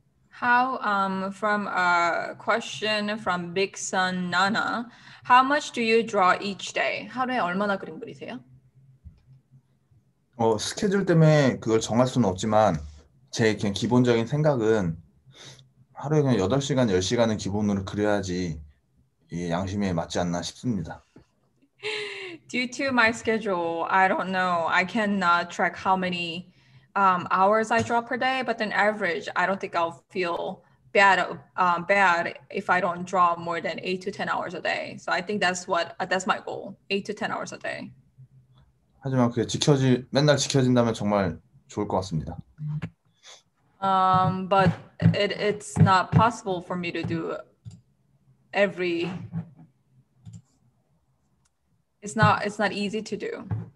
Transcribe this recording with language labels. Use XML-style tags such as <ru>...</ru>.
<en>How from a question from Big Sun Nana, how much do you draw each day?</en> <ko>하루에 얼마나 그림 그리세요? 스케줄 때문에 그걸 정할 수는 없지만 제 그냥 기본적인 생각은 하루에 그냥 8시간, 10시간은 기본으로 그려야지 이 양심에 맞지 않나 싶습니다.</ko> <en>Due to my schedule, I don't know. I cannot track how many hours I draw per day, but then average, I don't think I'll feel bad if I don't draw more than 8 to 10 hours a day. So I think that's my goal, 8 to 10 hours a day.</en> <ko>하지만 그게 맨날 지켜진다면 정말 좋을 것 같습니다.</ko> <en>But it's not possible for me to do every. It's not easy to do.</en>